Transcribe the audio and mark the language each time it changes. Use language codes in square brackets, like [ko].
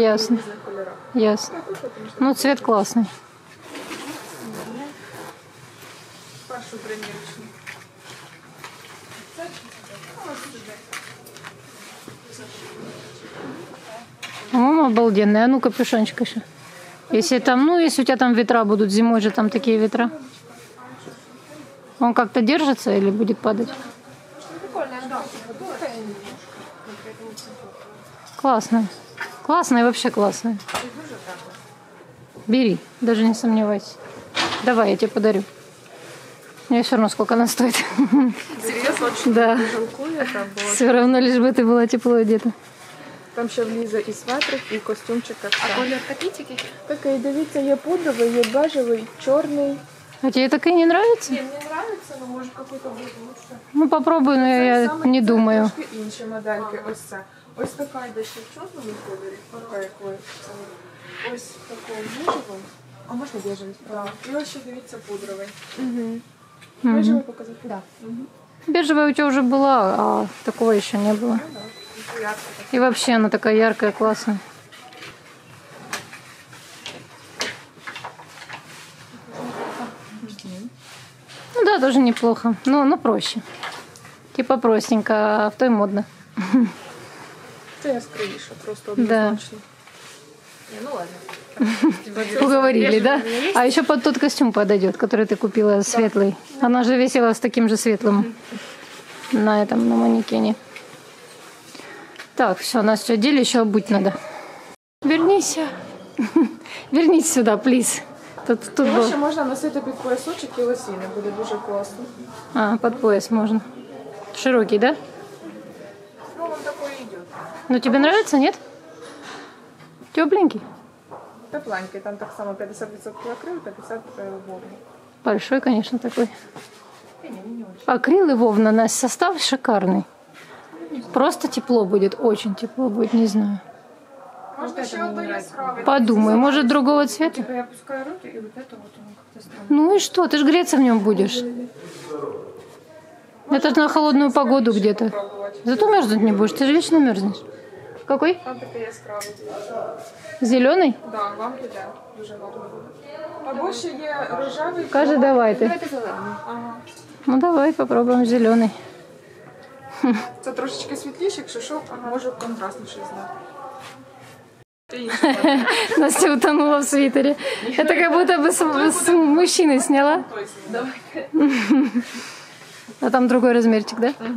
[uk] Ясно. Ясно. Ну, цвіт класний. Першу тренірочну. О, обалденний. А ну, капюшончика ще. [ru] Если там, ну, если у тебя там ветра будут, зимой же там такие ветра. Он как-то держится или будет падать? Классно. Классно и вообще классно. Бери, даже не сомневайся. Давай, я тебе подарю. Мне все равно, сколько она стоит. Серьезно? Да. Все равно, лишь бы ты была тепло одета. [uk] Там ще в Ліза і светрик, і костюмчик. А колір такий тільки? Такий, дивіться, є пудовий, є бежевий, чорний. [ru] А тебе такий не нравиться? [uk] Ні, мені нравиться, але може якийсь буде краще. [ru] Ну, попробуй, але я не думаю. [uk] Це трошки інші модельки, ось це. Ось така йде ще в чорному кольорі. Ось такий бежевий. А можна бежевий? Так. І ось ще, дивіться, пудровий. Бежевий показати? Так. Бежевий у тебе вже була, а такого ще не було. [ru] И вообще она такая яркая, классная. Ну да, тоже неплохо. Но проще. Типа простенько, а в той модно. Это я скрою еще, просто однозначно. Да. Ну ладно. Уговорили, да? А еще под тот костюм подойдет, который ты купила, светлый. Она же весила с таким же светлым на этом, на манекене. Так, все, нас все одели, еще обуть надо. Вернись. Вернись сюда, плиз. Тут было. [uk] Ще можна носити під поясочок і лосини, буде дуже класно. А, під пояс можна. Широкий, да? Ну, він такий йде. Ну, тобі подобається, ні? Тепленький? Тепленький, там так само 50% акрил, 50% вовна. Большой, звісно, такий. Не акрил і вовна, Настя, состав шикарний. [ru] Просто тепло будет, очень тепло будет, не знаю. Может, вот еще одно яскравое. Подумай, может, другого цвета? Типа я опускаю руки, и вот это вот он как-то странно. Ну и что, ты же греться в нем будешь. Может, это же на холодную погоду где-то. Зато мерзнуть не будешь, ты же вечно мерзнешь. Какой? Там такой яскравый. Зеленый? Да, вам туда, уже надо. Побольше есть ржавый. Скажи, давай ты. Ага. Ну давай, попробуем зеленый. [uk] Це трошечки світліше, якщо що, може контрастніше знати. Настя утонула в світері. Це як будто б з мужчини зняла. Давай. А там другий розмірчик, так?